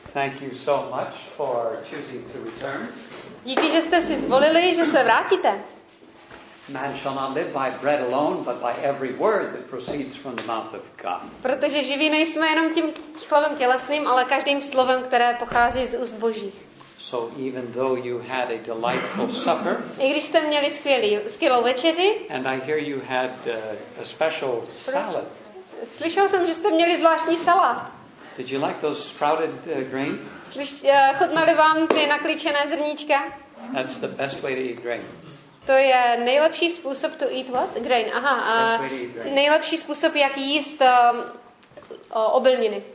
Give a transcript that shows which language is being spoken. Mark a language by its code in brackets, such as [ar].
[en] Thank you so much for choosing to return. [cs] Díky, že jste si zvolili, že se vrátíte. [en] Man shall not live by bread alone, but by every word that proceeds from the mouth of God. [cs] Protože živí nejsme jenom tím chlebem tělesným, ale každým slovem, které pochází z úst Božích. [en] So even though you had a delightful supper, [cs] i když jste měli skvělou večeři, [en] and I hear you had a special salad. [cs] Slyšel jsem, že jste měli zvláštní salát. [en] Did you like those sprouted grains? [cs] Chutnaly vám ty naklíčené zrníčka? [en] That's the best way to eat grain. [cs] To je nejlepší způsob [en] to eat what? Grain. [cs] Aha, nejlepší způsob, jak jíst obilniny.